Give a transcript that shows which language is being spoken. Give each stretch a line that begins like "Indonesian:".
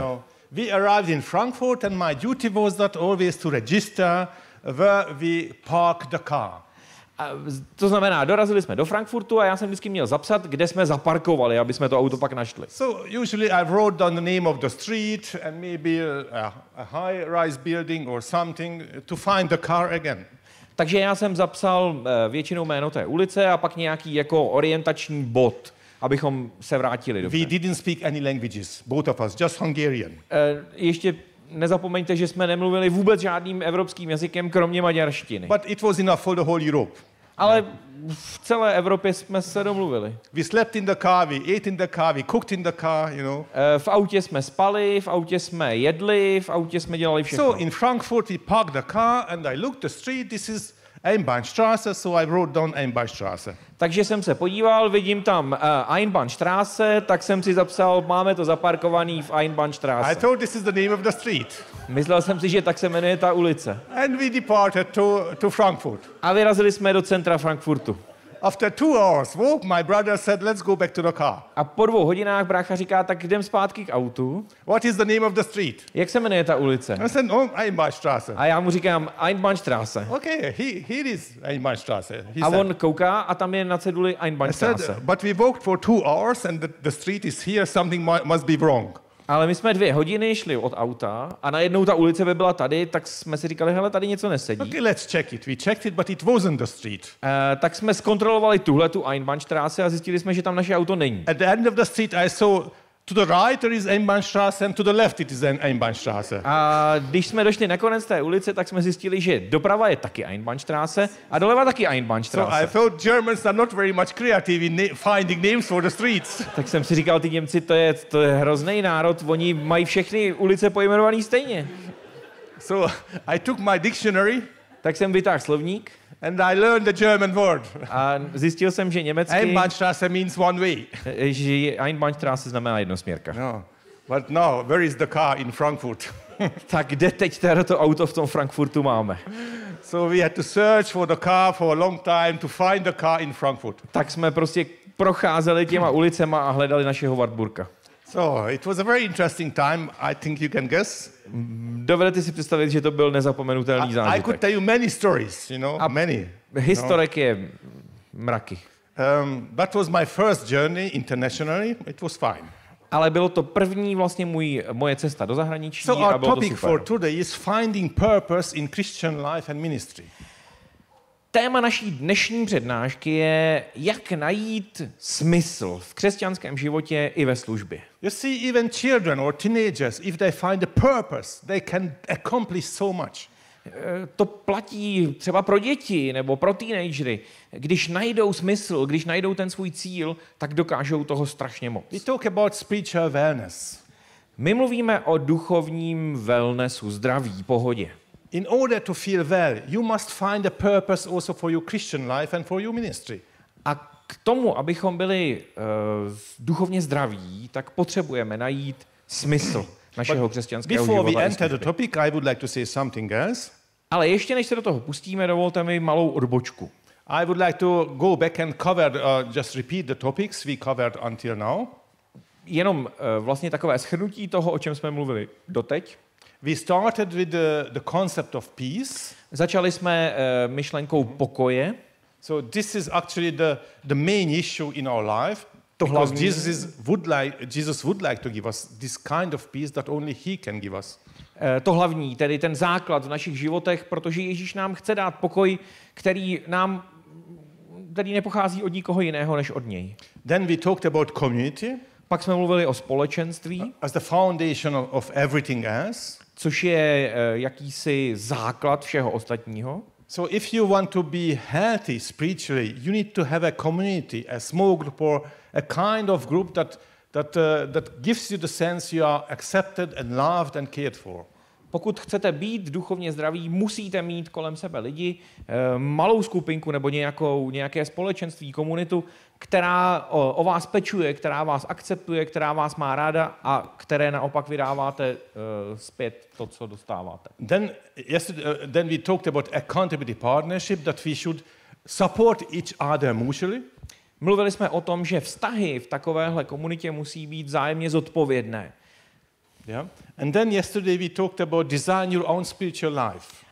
English: No, we arrived in Frankfurt and my duty was that always to register where we park the car.
Czech: A to znamená, dorazili jsme do Frankfurtu a já jsem vždycky měl zapsat, kde jsme zaparkovali, aby jsme to auto pak našli.
English: So usually I wrote down the name of the street and maybe a high-rise building or something to find the car again.
Czech: Takže já jsem zapsal většinou jméno té ulice a pak nějaký jako orientační bod, abychom se vrátili dobře.
English: We didn't speak any languages, both of us, just Hungarian.
Czech: Ještě nezapomeňte, že jsme nemluvili vůbec žádným evropským jazykem, kromě maďarštiny.
English: But it was enough for the whole Europe.
Czech: Ale v celé Evropě jsme se domluvili.
English: We slept in the car, we ate in the car, we cooked in the car, you know.
Czech: V autě jsme spali, v autě jsme jedli, v autě jsme dělali všechno.
English: So in Frankfurt we parked the car and I looked the street, this is Einbahnstraße, so I wrote down Einbahnstraße.
Czech: Takže jsem se podíval, vidím tam Einbahnstraße, tak jsem si zapsal, máme to zaparkovaný v Einbahnstraße.
English: I thought this is the name of the street.
Czech: Myslel jsem si, že tak se jmenuje ta ulice.
English: And we departed to Frankfurt.
Czech: A vyrazili jsme do centra Frankfurtu.
English: After 2 hours walk, my brother said, let's go back to the car.
Czech: A po 2 hodinách brácha říká, tak jdem zpátky k autu.
English: What is the name of the street?
Czech: Jak se jmenuje ta ulice?
English: I said, oh, Einbahnstraße.
Czech: A já mu říkám, Einbahnstraße.
English: Okay, here is Einbahnstraße.
Czech: A on kouká a tam je na ceduli Einbahnstraße.
English: But we walked for 2 hours and the street is here, something must be wrong.
Czech: Ale my jsme 2 hodiny šli od auta a najednou ta ulice by byla tady, tak jsme si říkali, hele, tady něco nesedí.
English: Okay, let's check it. We checked it, but it wasn't the street.
Czech: Tak jsme zkontrolovali tuhle tu Einbahnstraße a zjistili jsme, že tam naše auto není.
English: At the end of the street I saw To the right there is Einbahnstraße and to the left it is Einbahnstraße.
Czech: A když jsme došli na konec té ulice, tak jsme zjistili, že doprava je taky Einbahnstraße a doleva taky Einbahnstraße.
English: So I thought Germans are not very much creative in finding names for the streets.
Czech: Tak jsem si říkal, ty Němci, to je hrozný národ, oni mají všechny ulice pojmenované stejně.
English: So I took my dictionary.
Czech: Tak jsem vytáhl slovník.
English: And I learned the German word.
Czech: A zjistil jsem, že německy
English: Einbahnstraße means one way.
Czech: Že Einbahnstraße znamená jednosměrka.
English: No. But no, where is the car in Frankfurt?
Czech: Tak kde teď to auto v tom Frankfurtu máme?
English: So we had to search for the car for a long time to find the car in Frankfurt.
Czech: Tak jsme prostě procházeli těma ulicema a hledali našeho Wartburka.
English: So, it was a very interesting time. I think you can guess.
Czech: Dovedete si představit, že to byl nezapomenutelný zážitek.
English: I could tell you many stories, you know, a many.
Czech: Historik je mraky.
English: That was my first journey internationally. It was fine.
Czech: Ale bylo to první vlastně moje cesta do zahraničí
English: so
Czech: a bylo to super.
English: So, topic for today is finding purpose in Christian life and ministry.
Czech: Téma naší dnešní přednášky je, jak najít smysl v křesťanském životě i ve službě.
English: You see, even children or teenagers, if they find a purpose, they can accomplish so much.
Czech: To platí třeba pro děti nebo pro teenagery. Když najdou smysl, když najdou ten svůj cíl, tak dokážou toho strašně moc.
English: We talk about spiritual wellness.
Czech: My mluvíme o duchovním wellnessu, zdraví, pohodě.
English: In order to feel well, you must find a purpose also for your Christian life and for your ministry.
Czech: A k tomu, abychom byli duchovně zdraví, tak potřebujeme najít smysl našeho křesťanského života.
English: Before we enter the topic, I would like to say something else.
Czech: Ale ještě než se do toho pustíme, dovolte mi malou odbočku.
English: I would like to go back and cover just repeat the topics we covered until now.
Czech: Jenom vlastně takové shrnutí toho, o čem jsme mluvili doteď.
English: We started with the concept of peace.
Czech: Začali jsme myšlenkou pokoje.
English: So this is actually the main issue in our life.
Czech: To hlavní.
English: Because Jesus would like to give us this kind of peace that only he can give us.
Czech: To hlavní, tedy ten základ v našich životech, protože Ježíš nám chce dát pokoj, který nepochází od nikoho jiného než od něj.
English: Then we talked about community.
Czech: Pak jsme mluvili o společenství.
English: As the foundation of everything else.
Czech: Což je jakýsi základ všeho ostatního.
English: So if you want to be healthy spiritually, you need to have a community, a small group or a kind of group that gives you the sense you are accepted and loved and cared for.
Czech: Pokud chcete být duchovně zdraví, musíte mít kolem sebe lidi, malou skupinku nebo nějaké společenství, komunitu, která o vás pečuje, která vás akceptuje, která vás má ráda a které naopak vydáváte zpět to, co dostáváte.
English: Then we talked about accountability partnership that we should support each other mutually.
Czech: Mluvili jsme o tom, že vztahy v takovéhle komunitě musí být vzájemně zodpovědné.
English: Yeah. And then yesterday we talked about design your own spiritual life.